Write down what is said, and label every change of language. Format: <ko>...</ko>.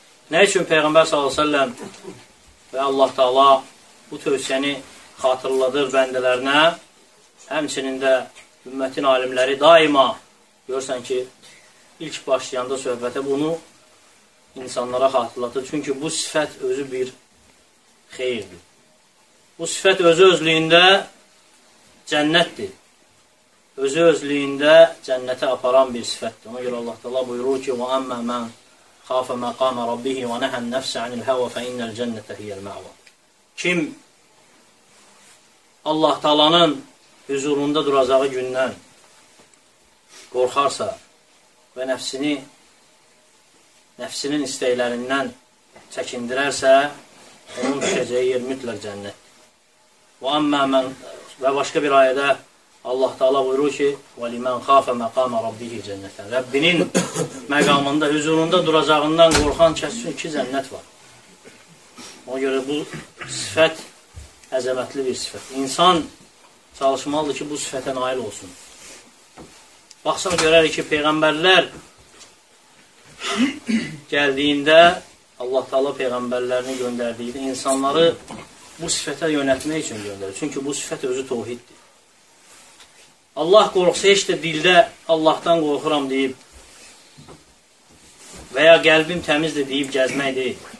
<az>Nə üçün Peyğəmbər sallallahu aleyhi və səlləm və Allah Taala bu tövsiyəni xatırladır bəndələrinə, həmçinin də ümmətin alimləri daima, görsən ki, ilk başlayanda söhbətə bunu insanlara xatırlatır. Çünki bu sifət özü bir xeyirdir. Bu sifət özü-özlüyündə cənnətdir. Özü-özlüyündə cənnətə aparan bir sifətdir. Ona görə Allah Taala buyurur ki,</az> <ar>وَأَمَّا مَنْ خَافَ مَقَامَ رَبِّهِ وَنَهَا النَّفْسَ عَنِ الْهَوَى فَإِنَّ الْجَنَّةَ هِيَ الْمَعْوَى.</ar> <az>Kim Allah Taalanın huzurunda duracağı gündən qorxarsa və nəfsinin istəklərindən çəkindirərsə, onun düşəcəyi yer mütləq cənnətdir.</az> <ar>وَأَمَّا مَنْ</ar> <az>Və başqa bir ayədə Allah Taala buyurur ki,</az> <ar>وَلِمَنْ خَافَ مَقَامَ رَبِّهِ جَنَّتًا.</ar> <az>Rəbbinin məqamında, hüzurunda duracağından qorxan kəsin ki, cənnət var. Ona görə bu sifət əzəmətli bir sifət. İnsan çalışmalıdır ki, bu sifətə nail olsun. Baxsan görərik ki, peyğəmbərlər gəldiyində, Allah Taala peyğəmbərlərini göndərdiyində insanları bu sifətə yönətmək üçün göndərir. Çünki bu sifət özü tohiddir. Allah qorxsa heç də dildə Allahdan qorxuram deyib və ya qəlbim təmizdir deyib gəzmək deyil.</az>